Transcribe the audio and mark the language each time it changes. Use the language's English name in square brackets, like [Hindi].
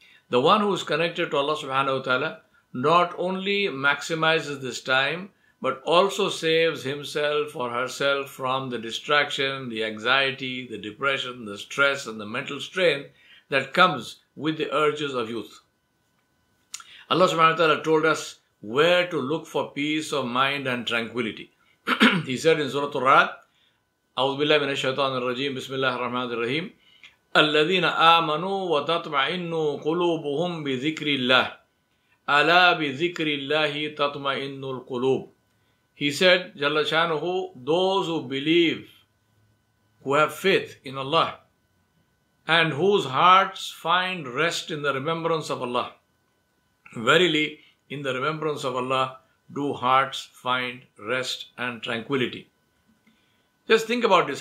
[English] The one who is connected to Allah subhanahu wa ta'ala not only maximizes this time but also saves himself or herself from the distraction, the anxiety, the depression, the stress and the mental strain that comes with the urges of youth. Allah subhanahu wa ta'ala told us where to look for peace of mind and tranquility. He said in Surah Al-Ra'd, [Arabic] أعوذ بالله من الشيطان الرجيم بسم الله الرحمن الرحيم الذين آمنوا وتطمئنوا قلوبهم بذكر الله ألا بذكر الله تطمئن القلوب. [English] He said, Jalla Shanuhu, those who believe, who have faith in Allah and whose hearts find rest in the remembrance of Allah. Verily, in the remembrance of Allah, do hearts find rest and tranquility. Just think about this.